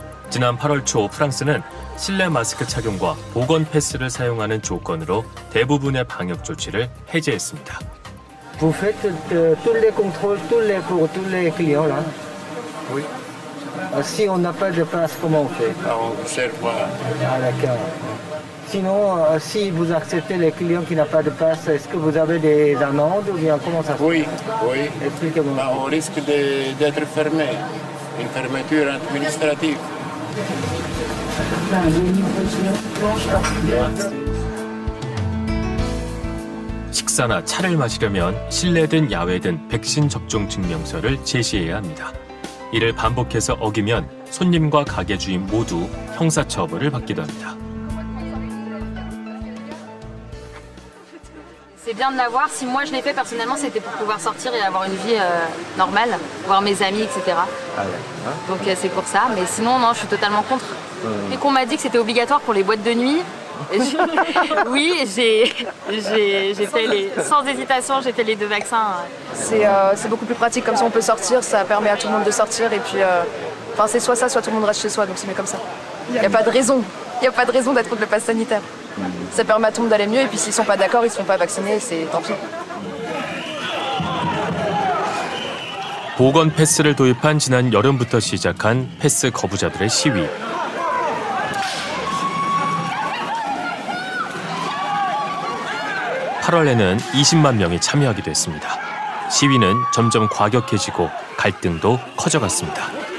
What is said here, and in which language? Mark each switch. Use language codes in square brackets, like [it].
[ko] 지난 8월 초 프랑스는 실내 마스크 착용과 보건 패스를 사용하는 조건으로 대부분의 방역 조치를 해제했습니다. [fr] Vous faites tous les contrôles pour tous les clients là? Oui. Si on n'a pas de passe, comment on fait? On vous sert quoi? Ah, d'accord. Sinon, si vous acceptez les clients qui n'ont pas de passe, est-ce que vous avez des amendes ou bien comment ça se passe? Oui. Expliquez-moi. Bah, on risque d'être fermé. Une fermeture administrative. Ouais. [ko] 식사나 차를 마시려면 실내든 야외든 백신 접종 증명서를 제시해야 합니다. 이를 반복해서 어기면 손님과 가게 주인 모두 형사 처벌을 받기도 합니다. [fr] C'est bien de l'avoir. Si moi je l'ai fait personnellement, c'était pour pouvoir sortir et avoir une vie normale, voir mes amis, etc. Donc c'est pour ça. Mais sinon, non, je suis totalement contre. Et qu'on m'a dit que c'était obligatoire pour les boîtes de nuit. Oui, j'ai fait les deux vaccins. C'est beaucoup plus pratique, comme ça on peut sortir, ça permet à tout le monde de sortir et puis c'est soit ça, soit tout le monde reste chez soi, donc c'est comme ça. Il n'y a pas de raison d'être contre le pass sanitaire. Ça permet à tout le monde d'aller mieux et puis s'ils ne sont pas d'accord, ils ne sont pas vaccinés, c'est tant pis. [ko] 보건 패스를 도입한 지난 여름부터 시작한 패스 거부자들의 시위. 8월에는 20만 명이 참여하기도 했습니다. 시위는 점점 과격해지고 갈등도 커져갔습니다.